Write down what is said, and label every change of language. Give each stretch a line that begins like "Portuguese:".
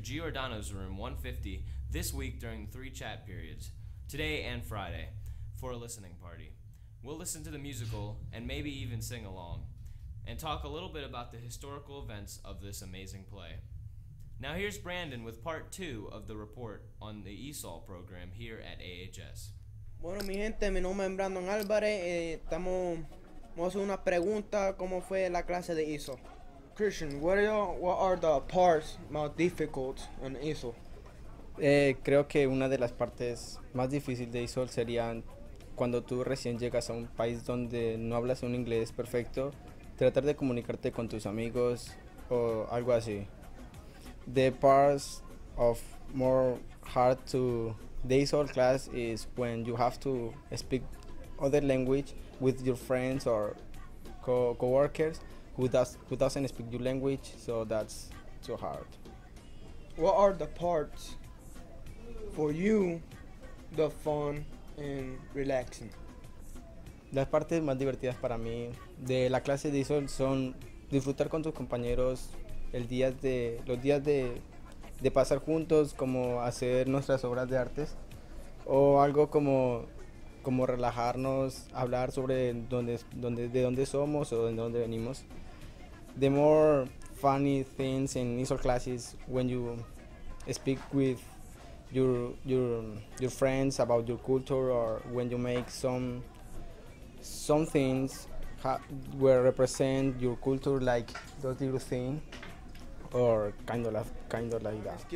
English: Giordano's room 150 this week during the three chat periods, today and Friday, for a listening party. We'll listen to the musical and maybe even sing along and talk a little bit about the historical events of this amazing play. Now here's Brandon with part two of the report on the ESOL program here at AHS.
Spanish: Bueno, mi gente, mi nombre es Brandon Álvarez. Vamos a hacer una pregunta, ¿cómo fue la clase de ESOL?
English: Christian, what are the parts most difficult in ESOL?
Spanish: Creo que una de las partes más difíciles de ESOL serían cuando tú recién llegas a un país donde no hablas un inglés perfecto, tratar de comunicarte con tus amigos o algo así.
English: The parts of more hard to the ESOL class is when you have to speak other language with your friends or coworkers. Who doesn't speak your language, so that's too hard. What are the parts for you the fun and relaxing?
Spanish: Las partes más divertidas para mí de la clase de ESOL son disfrutar con tus compañeros los días de pasar juntos, como hacer nuestras obras de artes, o algo como relajarnos, hablar sobre de dónde somos o de dónde venimos.
English: The more funny things in ESOL classes when you speak with your friends about your culture, or when you make some things where represent your culture, like those little things, or kind of like that.